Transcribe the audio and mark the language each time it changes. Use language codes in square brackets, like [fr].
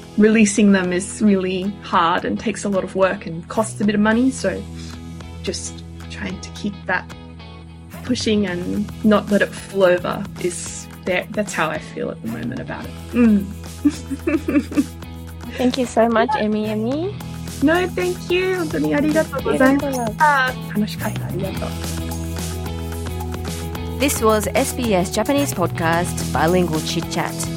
[en] Releasing them is really hard and takes a lot of work and costs a bit of money, so just trying to keep that pushing and not let it fall over is there. That's how I feel at the moment about it. Thank you so much, EmiEmi. No, thank you. [ja] 本当にありがとうございました。楽しかった。ありがとう。 [en] This was SBS Japanese Podcast Bilingual Chit Chat.